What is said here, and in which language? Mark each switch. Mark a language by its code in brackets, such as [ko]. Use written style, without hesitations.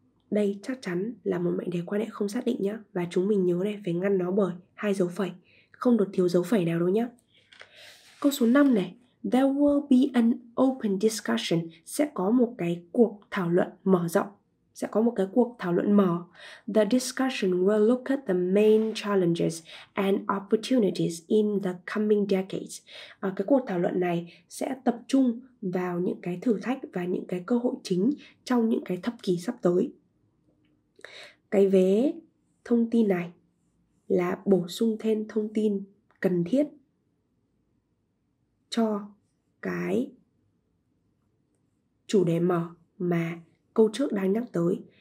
[vi] Đây chắc chắn là một mệnh đề quan hệ không xác định nhé. Và chúng mình nhớ này, phải ngăn nó bởi hai dấu phẩy, không được thiếu dấu phẩy nào đâu nhé. Câu số 5 này: [en] There will be an open discussion, [vi] sẽ có một cái cuộc thảo luận mở rộng. Sẽ có một cái cuộc thảo luận mở. [en] The discussion will look at the main challenges and opportunities in the coming decades. [vi] Cái cuộc thảo luận này sẽ tập trung vào những cái thử thách và những cái cơ hội chính trong những cái thập kỷ sắp tới. Cái vế thông tin này là bổ sung thêm thông tin cần thiết cho cái chủ đề mở mà câu trước đang nhắc tới.